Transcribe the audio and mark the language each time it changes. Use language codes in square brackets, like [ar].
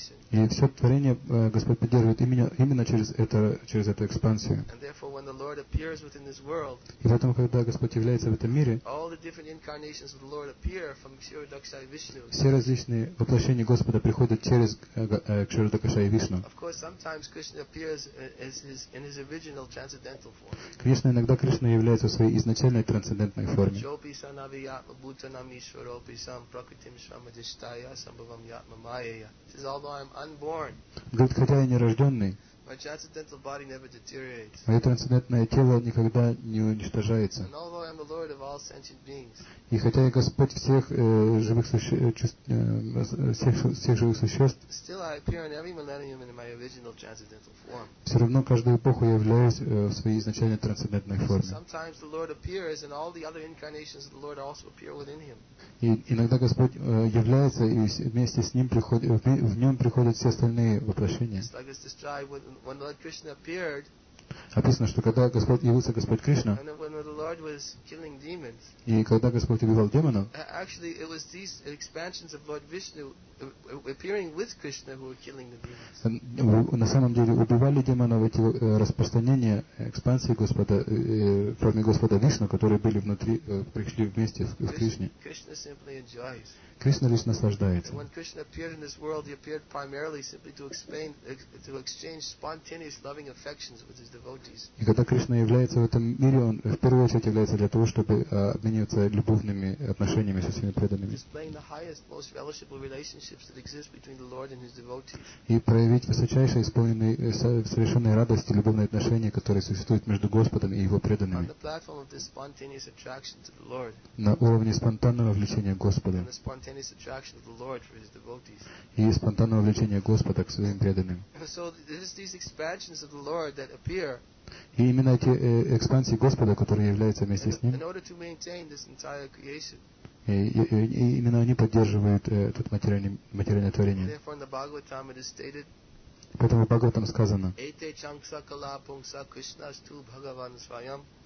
[ru] И все творение Господь поддерживает именно через эту экспансию. [en] And therefore, when the Lord appears within this world, [ru] и потом, когда Господь является в этом мире, [en] all the different incarnations of the Lord appear from Kshirodakshaya Vishnu. [ru] Все различные воплощения Господа приходят через Кширодакшая Вишну. [en] Of course, sometimes Krishna appears as his, in his original transcendental form. [ru] Конечно, иногда Кришна является в своей изначальной трансцендентной форме. [sa] Чопи санави ятма бутанами шваропи сам пракритим швамадиштая самбавам ятма майя. [en] It says, although I am unborn, [ru] говорит, хотя я нерожденный, [en] my transcendental body never deteriorates. [ru] Мое трансцендентное тело никогда не уничтожается. [en] And although I am the Lord of all sentient beings, [ru] и хотя я Господь всех живых существ, [en] still I appear in every millennium in my original transcendental form. [ru] Все равно каждую эпоху я являюсь в своей изначальной трансцендентной форме. [en] Sometimes the Lord appears, and all the other incarnations of the Lord also appear within Him. [ru] И иногда Господь является, и вместе с Ним в Нем приходят все остальные воплощения. [en] Just like it's described when Lord Krishna appeared. [ru] Описано, что когда Господь явился Господь Кришна, [en] demons, [ru] и когда Господь убивал демонов, [en] actually, it was these expansions of Lord Vishnu appearing with Krishna who were killing the demons. [ru] На самом деле убивали демонов эти распространения экспансии Господа, кроме Господа Вишну, которые были внутри, пришли вместе в Кришне. [en] Krishna simply enjoys. [ru] Кришна лишь наслаждается. [en] When Krishna appeared in this world, he appeared primarily simply to exchange spontaneous loving affections with his devotees. [ru] И когда Кришна является в этом мире, он в первую очередь является для того, чтобы обмениваться любовными отношениями со своими преданными. [en] Displaying the highest, most relishable relationships that exist between the Lord and his devotees. [ru] И проявить высочайшие, исполненные совершенной радости любовные отношения, которые существуют между Господом и его преданными. [en] On the platform of this spontaneous attraction to the Lord. [ru] На уровне спонтанного влечения к Господу. [en] Spontaneous attraction of the Lord for his devotees. [ru] И спонтанное влечение Господа к своим преданным. [en] So it is these expansions of the Lord that appear. [ru] И именно эти экспансии Господа, которые являются вместе с Ним. [en] In order to maintain this entire creation. [ru] И именно они поддерживают этот материальное творение. [en] Therefore, in the Bhagavatam it is stated. [ru] Поэтому в Бхагаватам сказано. [sa] Эйте чанкса кала пунса Кришнасту Бхагаван сваям.